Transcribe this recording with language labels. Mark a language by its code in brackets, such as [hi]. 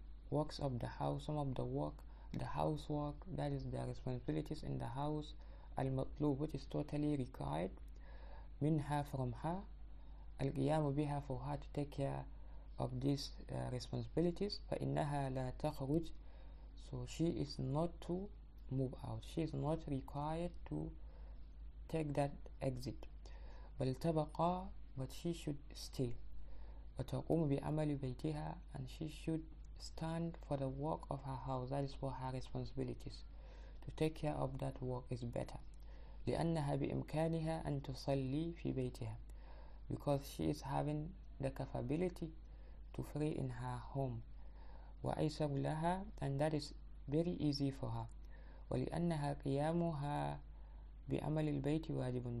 [en] works of the house some of the work the housework that is the responsibilities in the house [ar] المطلوب [en] which is totally required [ar] منها [en] from her [ar] القيام بها [en] for her to take care of these responsibilities [ar] فإنها لا تخرج [en] so she is not to move out she is not required to take that exit [ar] بل تبقى [en] But she should stay. [ar] وتقوم بعمل بيتها [en] and she should stand for the work of her house. That is for her responsibilities. To take care of that work is better. [ar] لأنها بإمكانها أن تصلي في بيتها. [en] Because she is having the capability to pray in her home. [ar] وأيسر لها [en] and that is very easy for her. [ar] ولأنها قيامها بعمل البيت واجب.